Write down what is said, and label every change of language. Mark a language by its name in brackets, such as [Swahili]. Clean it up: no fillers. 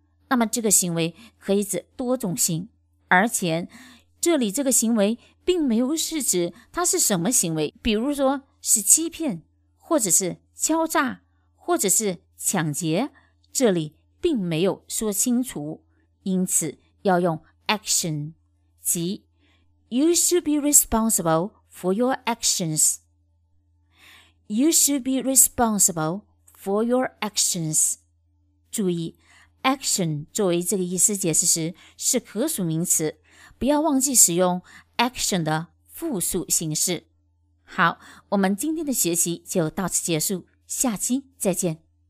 [Chinese] 那么这个行为可以指多种性，而且这里这个行为并没有是指它是什么行为，比如说是欺骗或者是敲诈或者是抢劫，这里并没有说清楚，因此要用 action, 即 [English] You should be responsible for your actions. You should be responsible for your actions. [Chinese] 注意 action 作为这个意思解释时是可数名词，不要忘记使用 action 的复数形式。好，我们今天的学习就到此结束。下期再见。